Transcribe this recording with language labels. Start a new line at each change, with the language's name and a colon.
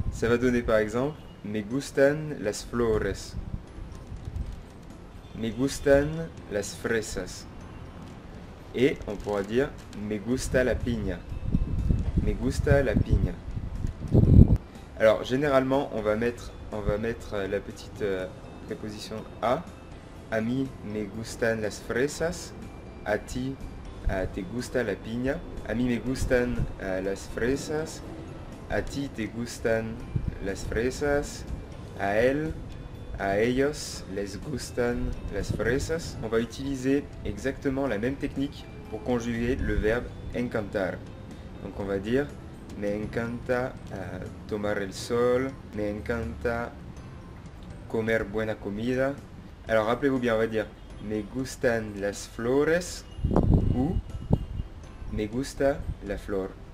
French: Ça va donner par exemple
Spanish: me gustan las flores, me gustan las fresas,
French: et on pourra dire
Spanish: me gusta la piña, me gusta la piña.
French: Alors généralement on va mettre la petite préposition a.
Spanish: A mí me gustan las fresas, a ti te gusta la piña, a mí me gustan las fresas, a ti te gustan las fresas, a él, a ellos les gustan las fresas.
French: On va utiliser exactement la même technique pour conjuguer le verbe encantar. Donc on va dire
Spanish: me encanta tomar el sol, me encanta comer buena comida.
French: Alors rappelez-vous bien, on va dire
Spanish: me gustan las flores
French: ou
Spanish: me gusta la flor.